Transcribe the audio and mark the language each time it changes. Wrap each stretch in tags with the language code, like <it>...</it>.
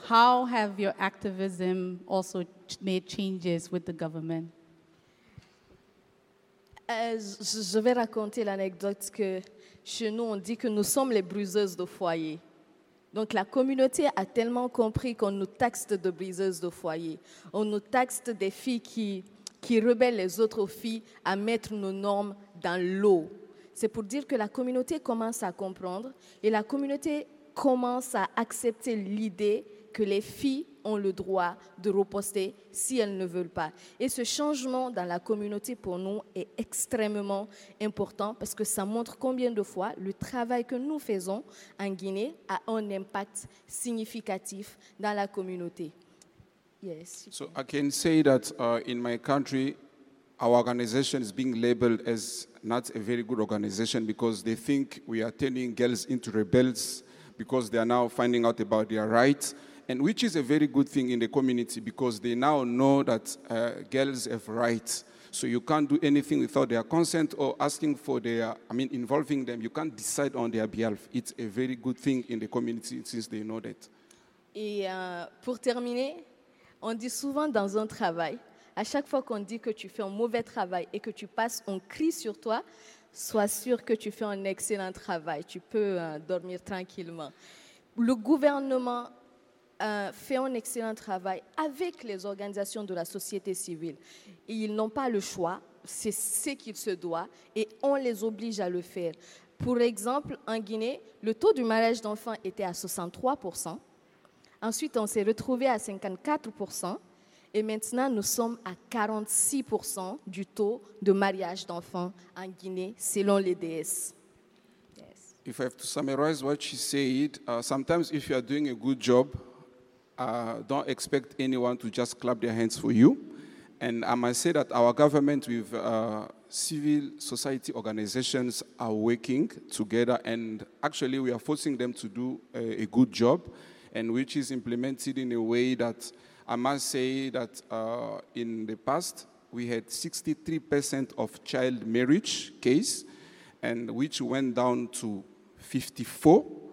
<en>How have your activism also made changes with the government?</en> <fr>Je vais raconter l'anecdote que chez nous, on dit que nous sommes les briseuses de foyer. Donc la communauté a tellement compris qu'on nous taxe de briseuses de foyer. On nous taxe des filles qui rebellent les autres filles à mettre nos normes dans l'eau. C'est pour dire que la communauté commence à comprendre et la communauté commence à accepter l'idée que les filles ont le droit de reposter si elles ne veulent pas. Et ce changement dans la communauté pour nous est extrêmement important parce que ça montre combien de fois le travail que nous faisons en Guinée a un impact significatif dans la communauté.</fr> <en>Yes. So I can say that in my country, our organization is being labeled as not a very good organization because they think we are turning girls into rebels because they are now finding out about their rights. And which is a very good thing in the community because they now know that girls have rights. So you can't do anything without their consent or asking for involving them. You can't decide on their behalf. It's a very good thing in the community since they know that.</en> <fr>Et pour terminer, on dit souvent dans un travail, à chaque fois qu'on dit que tu fais un mauvais travail et que tu passes, on crie sur toi, sois sûr que tu fais un excellent travail. Tu peux dormir tranquillement. Le gouvernement fait un excellent travail avec les organisations de la société civile. Et ils n'ont pas le choix, c'est ce qu'il se doit, et on les oblige à le faire. Pour exemple, en Guinée, le taux du mariage d'enfants était à 63%. Ensuite, on s'est retrouvé à 54%. Et maintenant, nous sommes à 46% du taux de mariage d'enfants en Guinée, selon l'EDS.</fr> <en>Yes. If I have to summarize what she said, sometimes if you are doing a good job, don't expect anyone to just clap their hands for you. And I must say that our government with civil society organizations are working together, and actually we are forcing them to do a good job, and which is implemented in a way that I must say that in the past we had 63% of child marriage case, and which went down to 54%.</en>